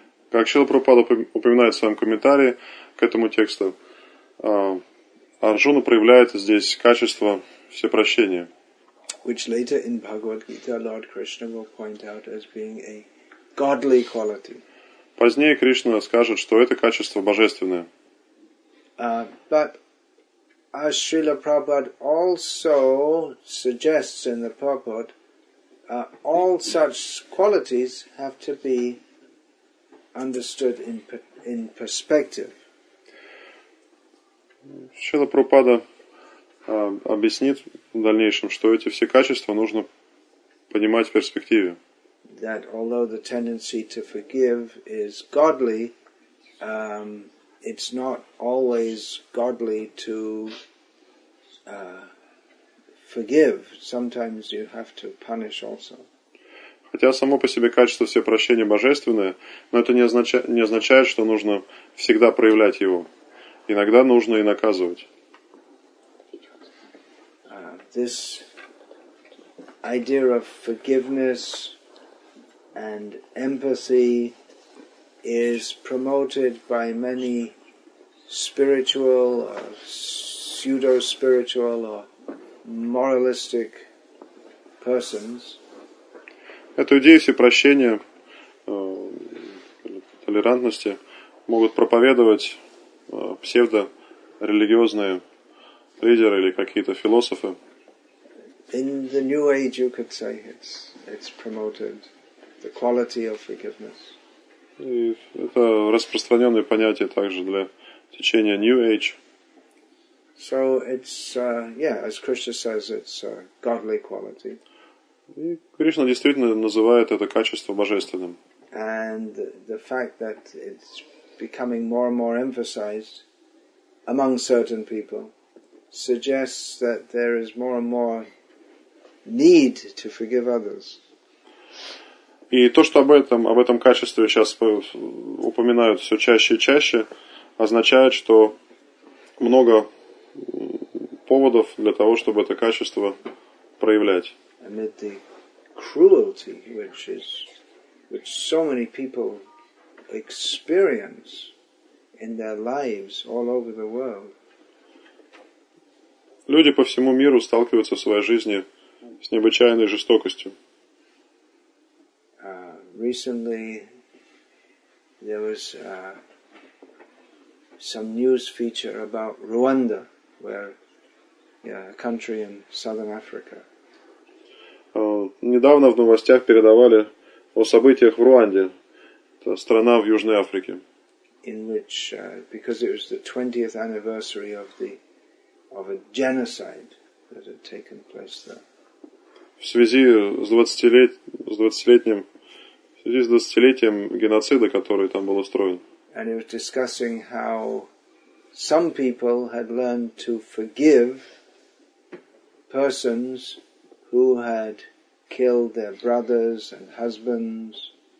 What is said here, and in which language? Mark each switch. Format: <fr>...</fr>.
<ru>Как Шрила Прабхупада упоминает в своем комментарии к этому тексту, Арджуна проявляет здесь качество всепрощения.</ru> <en>Which later in Bhagavad Gita Lord Krishna will point out as being a godly quality.</en> <ru>Позднее Кришна скажет, что это качество божественное.</ru> <en>But as Srila Prabhupada also suggests in the purport, all such qualities have to be understood in perspective.</en> <ru>Srila Prabhupada объяснит в дальнейшем, что эти все качества нужно понимать в перспективе.</ru> <en>That although the tendency to forgive is godly, it's not always godly to forgive. Sometimes you have to punish also.</en> <ru>Хотя само по себе качество всепрощения божественное, но это не означает, что нужно всегда проявлять его. Иногда нужно и наказывать.</ru> <en>This idea of forgiveness and empathy is promoted by many spiritual, or pseudo-spiritual, or moralistic persons.</en> <ru>Эту идею всепрощения, толерантности могут проповедовать псевдо-религиозные лидеры или какие-то философы.</ru> <en>In the New Age, you could say it's promoted. The quality of forgiveness.</en> <ru>И это распространенное понятие также для течения New Age.</ru> <en>So it's as Krishna says, it's a godly quality.</en> <ru>И Кришна действительно называет это качество божественным.</ru> <en>And the fact that it's becoming more and more emphasized among certain people suggests that there is more and more need to forgive others.</en> <ru>И то, что об этом качестве сейчас упоминают все чаще и чаще, означает, что много поводов для того, чтобы это качество проявлять.</ru> <en>Amid the cruelty, which so many people experience in their lives all over the world.</en> <ru>Люди по всему миру сталкиваются в своей жизни с необычайной жестокостью.</ru> <en>Recently, there was some news feature about Rwanda, where a country in southern Africa.</en> <ru>Недавно в новостях передавали о событиях в Руанде, это страна в Южной Африке.</ru> <en>In which, because it was the 20th anniversary of a genocide that had taken place there.</en> <ru>В связи с двадцатилетием геноцида, который там был устроен.</ru> <en>And he was discussing how some people had learned to forgive persons who had killed their brothers and husbands.</en>